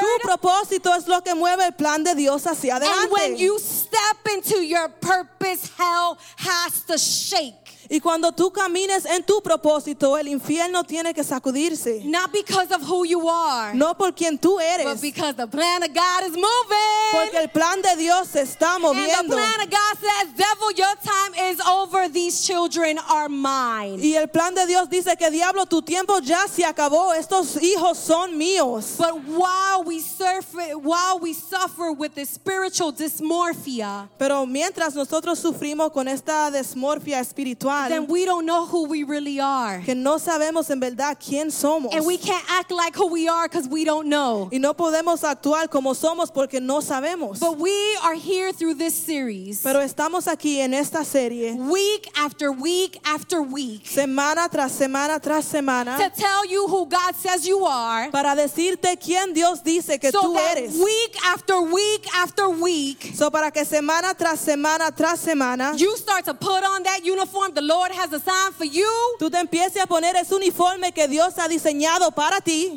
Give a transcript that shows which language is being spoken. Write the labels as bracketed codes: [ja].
[es] Tu propósito es lo que mueve el plan de Dios hacia adelante. [en] And when you step into your purpose, hell has to shake. [es] Y cuando tú camines en tu propósito, el infierno tiene que sacudirse. [en] Not because of who you are, [es] no por quien tú eres, [en] but because the plan of God is moving. [es] Porque el plan de Dios se está moviendo. [en] And the plan of God says, devil, your time is over. These children are mine. [es] Y el plan de Dios dice que, diablo, tu tiempo ya se acabó. Estos hijos son míos. [en] But while we suffer with this spiritual dysmorphia, [es] pero mientras nosotros sufrimos con esta dysmorphia espiritual, [en] then we don't know who we really are. [es] Que no sabemos en verdad quién somos. [en] And we can't act like who we are because we don't know. [es] Y no podemos actuar como somos porque no sabemos. [en] But we are here through this series. [es] Pero estamos aquí en esta serie. [en] Week after week after week. [es] Semana tras semana tras semana. [en] To tell you who God says you are. [es] Para decirte quién Dios dice que [en] so [es] tú eres. [en] Week after week after week. [es] So para que semana tras semana tras semana. [en] You start to put on that uniform the Lord has assigned for you. [es] Tú te empieces a poner ese uniforme que Dios ha diseñado para ti.